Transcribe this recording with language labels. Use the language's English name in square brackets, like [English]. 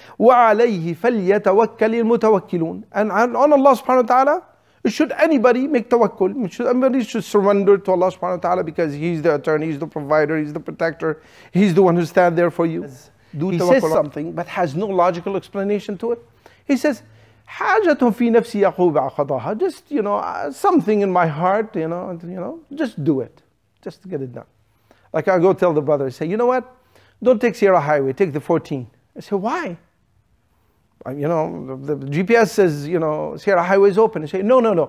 [Arabic] وَعَلَيْهِ فَلْيَتَوَكَّلِ الْمُتَوَكِّلُونَ. [English] And on Allah subhanahu wa ta'ala, should anybody make tawakkul? Should anybody should surrender to Allah subhanahu wa ta'ala because he's the attorney, he's the provider, he's the protector, he's the one who stands there for you. Do he says something but has no logical explanation to it. He says, [Arabic] حاجة في نفسي يقوب عقضها. [English] Just, you know, something in my heart, you know, just do it. Just to get it done. Like I go tell the brother, I say, you know what? Don't take Sierra Highway, take the 14. I say, why? You know, the GPS says, you know, Sierra Highway is open. I say, no.